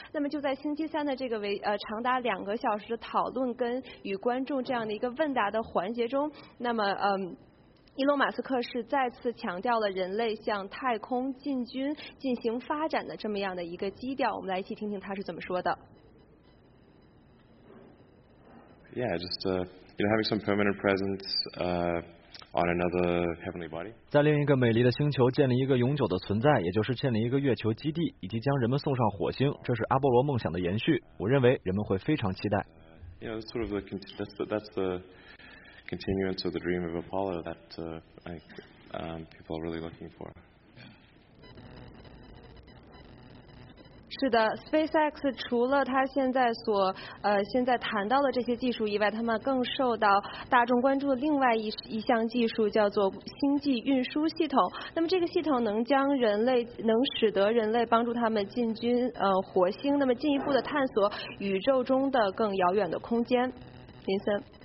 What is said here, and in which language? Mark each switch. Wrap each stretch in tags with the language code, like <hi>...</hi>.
<zh>那么就在星期三的这个长达两个小时的讨论跟与观众这样的一个问答的环节中，那么伊隆马斯克是再次强调了人类向太空进军进行发展的这么样的一个基调。我们来一起听听他是怎么说的。</zh> <en>Yeah, just having some permanent presence on another heavenly body.</en> <zh>在另一个美丽的星球建立一个永久的存在，也就是建立一个月球基地，以及将人们送上火星，这是阿波罗梦想的延续。我认为人们会非常期待。</zh> <en>That's the continuance of the dream of Apollo that people are really looking for.</en> <zh>是的 ，SpaceX 除了他现在所现在谈到的这些技术以外，他们更受到大众关注的另外一项技术叫做星际运输系统。那么这个系统能使得人类帮助他们进军火星，那么进一步的探索宇宙中的更遥远的空间。林森，</zh>